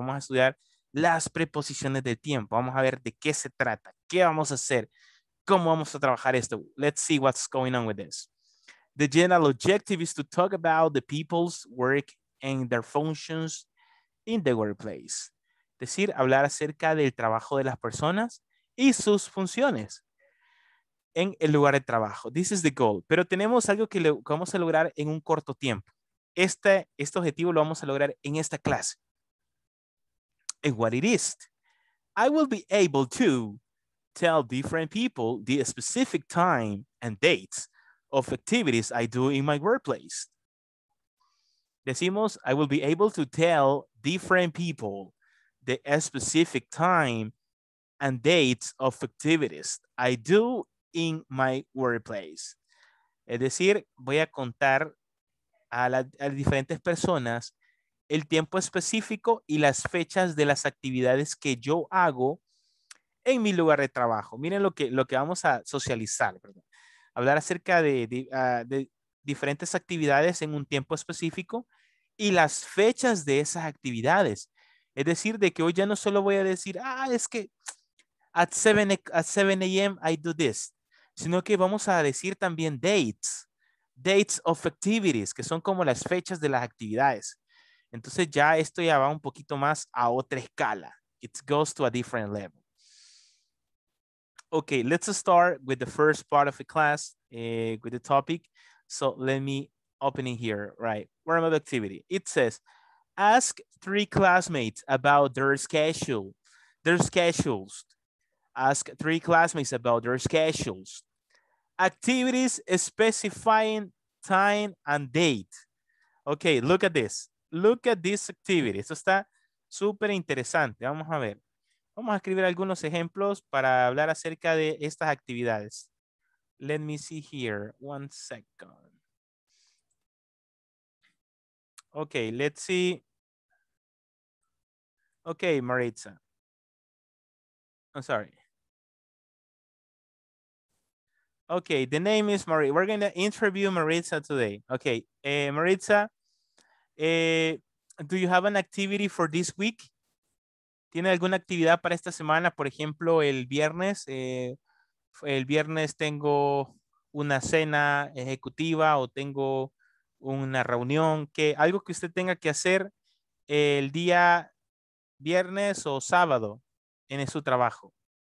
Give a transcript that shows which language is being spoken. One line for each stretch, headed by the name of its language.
Spanish: Vamos a estudiar las preposiciones del tiempo. Vamos a ver de qué se trata. ¿Qué vamos a hacer? ¿Cómo vamos a trabajar esto?
English: Let's see what's going on with this. The general objective is to talk about the people's work and their functions in the workplace.
Spanish: Es decir, hablar acerca del trabajo de las personas y sus funciones en el lugar de trabajo.
English: This is the goal.
Spanish: Pero tenemos algo que vamos a lograr en un corto tiempo. Este objetivo lo vamos a lograr en esta clase.
English: And what it is, I will be able to tell different people the specific time and dates of activities I do in my workplace.
Spanish: Decimos,
English: I will be able to tell different people the specific time and dates of activities I do in my workplace.
Spanish: Es decir, voy a contar a las diferentes personas el tiempo específico y las fechas de las actividades que yo hago en mi lugar de trabajo. Miren lo que vamos a socializar, ¿verdad? Hablar acerca de diferentes actividades en un tiempo específico y las fechas de esas actividades. Es decir, de que hoy ya no solo voy a decir, ah, es que
English: at 7 a.m. I do this,
Spanish: sino que vamos a decir también
English: dates of activities,
Spanish: que son como las fechas de las actividades. Entonces ya esto ya va un poquito más a otra escala.
English: It goes to a different level. Okay, let's start with the first part of the class, with the topic. So let me open it here, right? Warm up activity. It says, ask three classmates about their schedule. Their schedules. Ask three classmates about their schedules. Activities specifying time and date. Okay, look at this. Look at this activity.
Spanish: Esto está súper interesante. Vamos a ver. Vamos a escribir algunos ejemplos para hablar acerca de estas actividades.
English: Let me see here. One second. Okay, let's see. Okay, Maritza. I'm sorry. Okay, the name is Maritza. We're going to interview Maritza today. Okay, Maritza. Do you have an activity for this week?
Spanish: ¿Tiene alguna actividad para esta semana? Por ejemplo, el viernes. El viernes tengo una cena ejecutiva o tengo una reunión. Algo que usted tenga que hacer el día viernes o sábado en su trabajo.